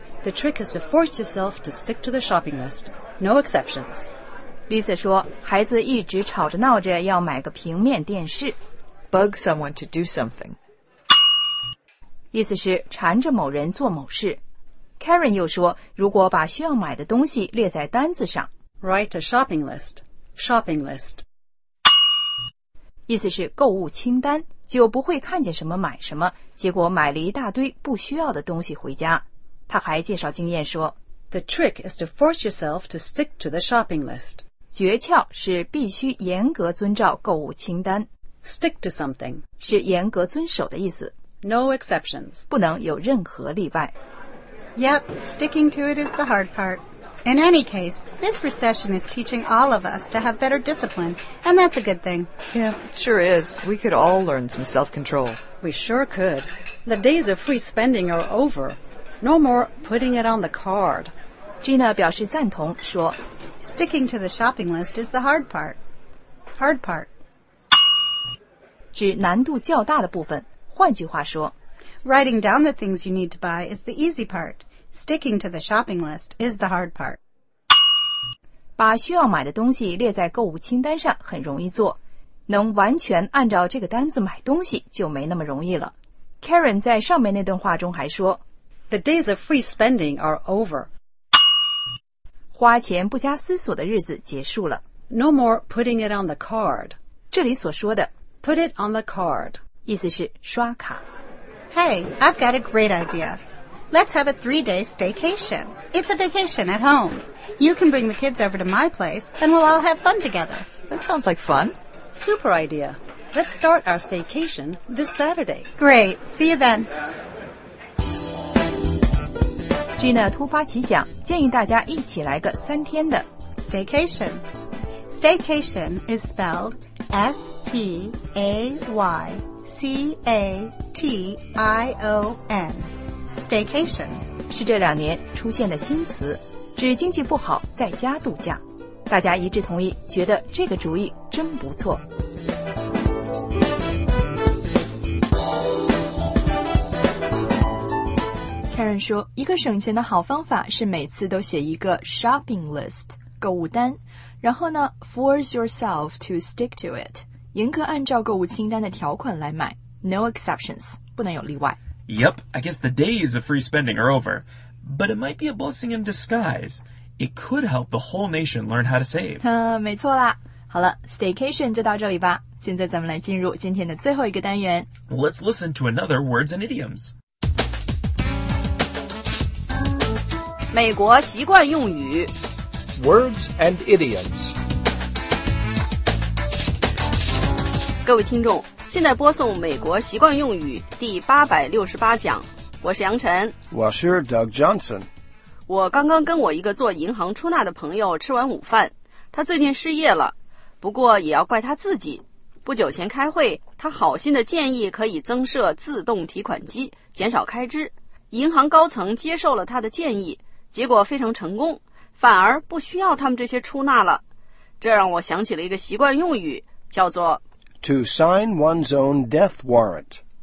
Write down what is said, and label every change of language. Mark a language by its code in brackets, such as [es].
[en] The trick is to force yourself to stick to the shopping list. No exceptions. [zh] Lisa 说孩子一直吵着闹着要买个平面电视。 [en] Bug someone to do something. [zh] 意思是缠着某人做某事。Karen 又说如果把需要买的东西列在单子上， [en] Write a shopping list. Shopping list [zh] 意思是购物清单，就不会看见什么买什么，结果买了一大堆不需要的东西回家。他还介绍经验说， [en] The trick is to force yourself to stick to the shopping list. [zh] 诀窍是必须严格遵照购物清单。 [en] Stick to something [zh] 是严格遵守的意思。 [en] No exceptions. [zh] 不能有任何例外。 [en] Yep, sticking to it is the hard part. In any case, this recession is teaching all of us to have better discipline, and that's a good thing. Yeah, it sure is. We could all learn some self-control. We sure could. The days of free spending are over. No more putting it on the card. [zh] Gina 表示赞同，说 [en] Sticking to the shopping list is the hard part. Hard part. [zh] 指难度较大的部分。换句话说， [en] Writing down the things you need to buy is the easy part. Sticking to the shopping list is the hard part. [zh] 把需要买的东西列在购物清单上很容易做，能完全按照这个单子买东西就没那么容易了。 Karen 在上面那段话中还说， [en] The days of free spending are over. [zh] 花钱不加思索的日子结束了。 [en] No more putting it on the card. [zh] 这里所说的 [en] Put it on the card. [zh] 意思是刷卡。 [en] Hey, I've got a great idea. Let's have a 3-day staycation. It's a vacation at home. You can bring the kids over to my place, and we'll all have fun together. That sounds like fun. Super idea. Let's start our staycation this Saturday. Great. See you then. [zh] Gina 突发奇想，建议大家一起来个3天的 [en] staycation. Staycation is spelled S-T-A-Y-C-A-T-I-O-N. Staycation [zh] 是这两年出现的新词，指经济不好在家度假。大家一致同意，觉得这个主意真不错。 Karen 说，一个省钱的好方法是每次都写一个 [en] shopping list [zh] 购物单。然后呢 [en] ,force yourself to stick to it. [zh] 严格按照购物清单的条款来买。 No exceptions. 不能有例外。 [en] Yep, I guess the days of free spending are over. But it might be a blessing in disguise. It could help the whole nation learn how to save. [zh] 没错啦。好了 ,staycation 就到这里吧。现在咱们来进入今天的最后一个单元。 [en] Let's listen to another Words and Idioms. [zh] 美国习惯用语。 [en] Words and Idioms. [zh] 各位听众，现在播送美国习惯用语第868讲，我是杨晨。我是 Doug Johnson。我刚刚跟我一个做银行出纳的朋友吃完午饭，他最近失业了，不过也要怪他自己。不久前开会，他好心的建议可以增设自动提款机，减少开支。银行高层接受了他的建议，结果非常成功。反而不需要他们这些出纳了，这让我想起了一个习惯用语，叫做 [en] To sign one's own death warrant.